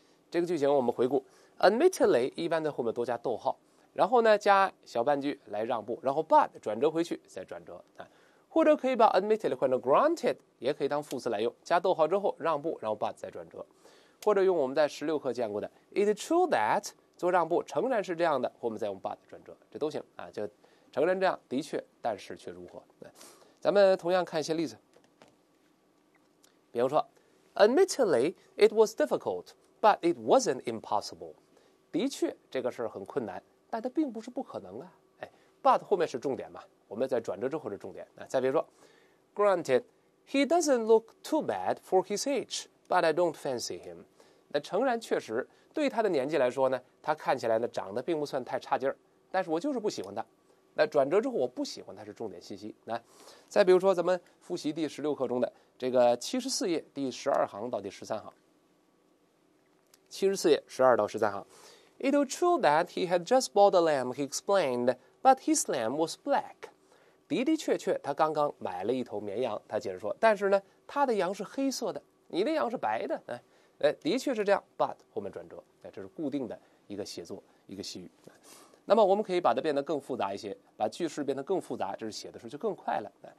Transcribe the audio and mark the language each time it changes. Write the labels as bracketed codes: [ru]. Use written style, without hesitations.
[zh] 这个句型我们回顾， admittedly 一般在后面多加逗号，然后呢加小半句来让步，然后 but 转折回去再转折，或者可以把 admittedly 换成 granted， 也可以当副词来用，加逗号之后让步，然后 but 再转折，或者用我们在16课见过的 [en] it true that [zh] 做让步，诚然是这样的，或我们再用 but 转折，这都行啊。就诚然这样，的确，但是却如何？咱们同样看一些例子。比如说 [en] ，admittedly it was difficult, but it wasn't impossible。 [zh] 的确，这个事很困难，但它并不是不可能啊。 but 后面是重点嘛，我们在转折之后是重点。再比如说 [en] ，granted he doesn't look too bad for his age, but I don't fancy him。 [zh] 那诚然确实，对他的年纪来说呢，他看起来呢长得并不算太差劲儿，但是我就是不喜欢它。那转折之后我不喜欢它是重点信息。来，再比如说咱们复习第16课中的这个74页第12行到第13行。 74页12到13行。 [en] It was true that he had just bought a lamb, he explained, but his lamb was black. [zh] 的的确确他刚刚买了一头绵羊，他解释说，但是呢他的羊是黑色的，你的羊是白的。的确是这样， but 后面转折，这是固定的一个写作一个习语。那么我们可以把它变得更复杂一些，把句式变得更复杂，这是写的时候就更快了。